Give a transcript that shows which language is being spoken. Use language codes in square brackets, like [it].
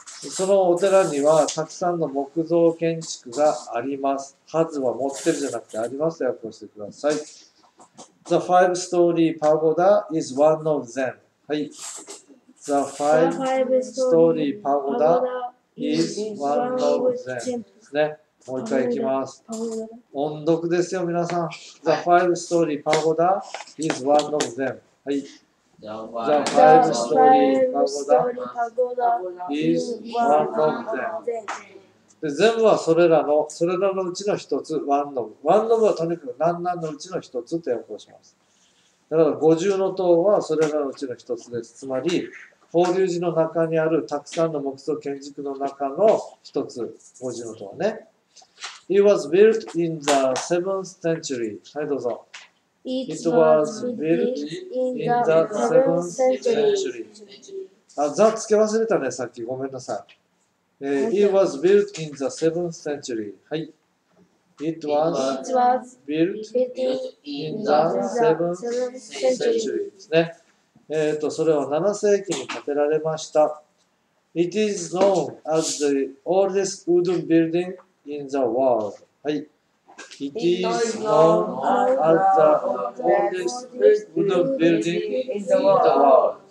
[ja] そのお寺にはたくさんの木造建築があります。はずは持ってるじゃなくてありますと訳をしてください。 [en] The five story pagoda is one of them. [ja] はい。 [en] The five story pagoda is one of them. [ja] ね。もう一回いきます。音読ですよ、皆さん。 [en] The five story pagoda is one of them. [ja] はい、 [en] The five story pagoda is one of them. [ja] で全部はそれらのうちの一つ、ワンノブ。ワンノブはとにかく何々のうちの一つと訳をします。だから五重の塔はそれらのうちの一つです。つまり、法隆寺の中にあるたくさんの木造建築の中の一つ、五重の塔はね。 [en] It was built in the 7th century. [ja] はい、どうぞ。 [en] It was built in the 7th century. [ja] あ、ザ付け忘れたね、さっき。ごめんなさい。 [en] It was built in the 7th century. はい。 It was built in the 7th century. [ja] ですね。それは7世紀に建てられました。 [en] It is known as the oldest wooden building in the world. [ja] はい。 [en] It is known as the oldest wooden building in the world.